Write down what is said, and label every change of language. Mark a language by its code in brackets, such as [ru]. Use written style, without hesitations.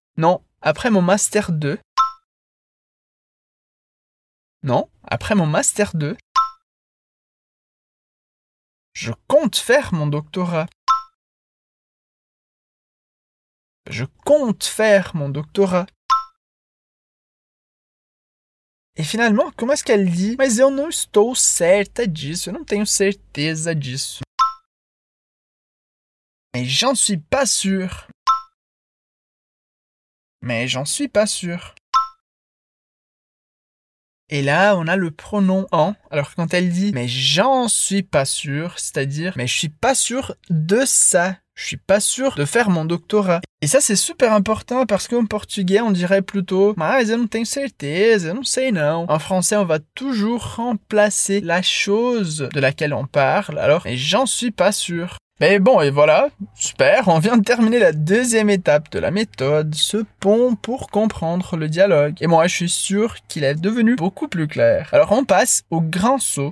[fr] « Non, après mon Master 2, non, après mon Master 2, je compte faire mon doctorat. Je compte faire mon doctorat. Et finalement, comment est-ce qu'elle dit? [pt] Mas eu não estou certa disso, eu não tenho certeza disso. [fr] Mais j'en suis pas sûr. Mais j'en suis pas sûr. Et là, on a le pronom « en ». Alors, quand elle dit « mais j'en suis pas sûr », c'est-à-dire « mais je suis pas sûr de ça, je suis pas sûr de faire mon doctorat ». Et ça, c'est super important parce qu'en portugais, on dirait plutôt « [pt] mas eu não tenho certeza, eu não sei não ». [fr] En français, on va toujours remplacer la chose de laquelle on parle, alors « mais j'en suis pas sûr ». Mais bon, et voilà, super, on vient de terminer la deuxième étape de la méthode, ce pont pour comprendre le dialogue. Et moi, je suis sûr qu'il est devenu beaucoup plus clair. Alors, on passe au grand saut.